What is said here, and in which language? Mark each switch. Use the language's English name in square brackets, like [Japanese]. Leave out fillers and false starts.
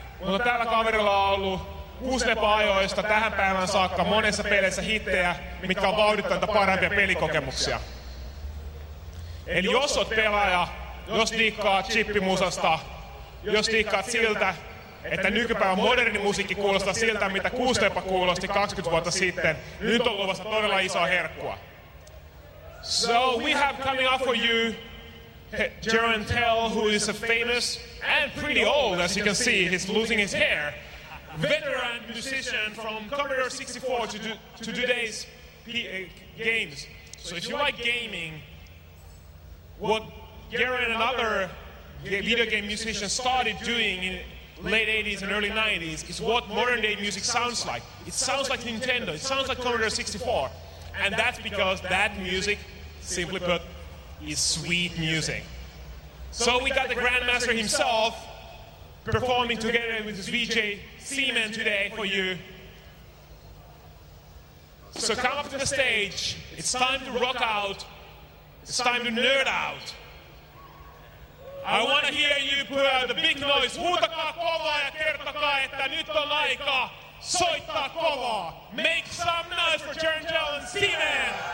[Finnish] Mutta tällä kaverilla on ollut Kuslepa-ajoista tähän päivään saakka monessa peleissä hittejä, mitkä on vauhdittanut parempia pelikokemuksia. Eli jos oot pelaaja, jos diikkaat chippimusasta, jos diikkaat siltä, että nykypäivän moderni musiikki kuulostaa siltä, mitä Kuslepa kuulosti 20 vuotta sitten, nyt on luvassa todella isoa herkkua. [English] So we have coming up for you Jerön Tell, who is a famous and pretty old, as you can see, he's losing his hair. Veteran musician from Commodore 64 to today's games. So if you like gaming, what Jerön and other video game musicians started doing in late 80s and early 90s is what modern day music sounds like. It sounds like Nintendo, it sounds like Commodore 64. And that's because that music, simply put, is sweet music. So we got the Grandmaster himself performing together with his VJ Seaman today for you. So come up to the stage. It's time to rock out. It's time to nerd out. I want to hear you put out the big noise. [Finnish] Huutakaa kovaa ja kertokaa, että nyt on aika soittaa kovaa. [English] Make some noise for Jerön Tell and Seaman.